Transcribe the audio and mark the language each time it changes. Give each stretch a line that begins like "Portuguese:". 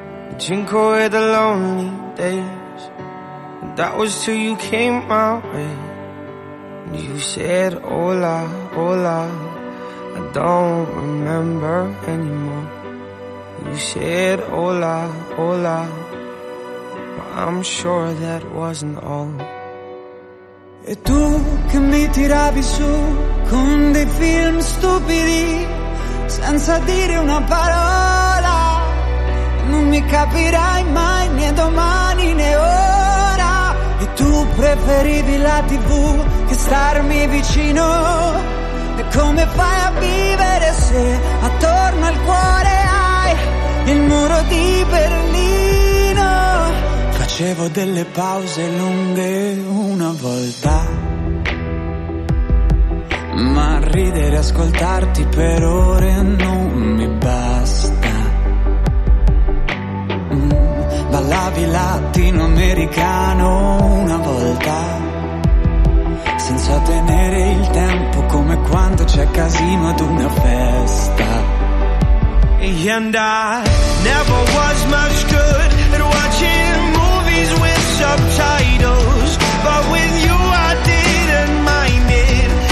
English: I drink away the lonely days, and that was till you came my way. And you said, hola, hola, I don't remember anymore. You said, hola, hola, but I'm sure that wasn't all.
Italian: E tu che mi tiravi su con dei film stupidi, senza dire una parola. Non mi capirai mai, né domani né ora. E tu preferivi la TV che starmi vicino. E come fai a vivere se attorno al cuore hai il muro di Berlino? Facevo delle pause lunghe una volta, ma ridere e ascoltarti per ore non mi basta. Ballavi latinoamericano una volta, senza tenere il tempo come quando c'è casino ad una festa.
English: And I never was much good at watching movies with subtitles, but with you I didn't mind it.